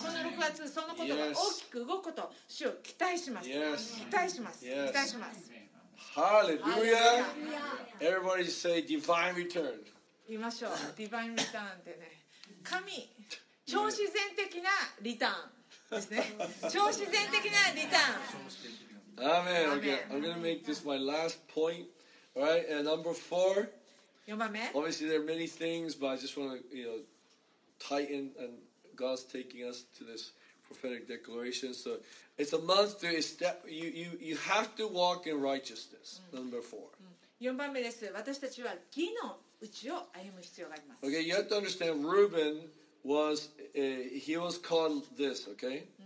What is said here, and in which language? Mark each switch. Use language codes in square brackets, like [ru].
[ja] この6月そのことが大きく動くこと主を期待します、期待します、期待します。 [en] ハレルヤ。Everybody say divine return。 [ja] 言いましょう、ディバインリターンってね、神超自然的なリターンですね、超自然的なリターン。アーメン。 [en] Okay, I'm gonna make this my last point. Alright, and number four. [ja] 4番目。 [en] Obviously there are many things, but I just want to, you know, tighten and God's taking us to this prophetic declaration. So it's a month to step, you have to walk in righteousness. Number four. [ja] 4番目です。私たちは義の道を歩む必要があります。 [en] Okay, you have to understand Reuben was he was called this, okay?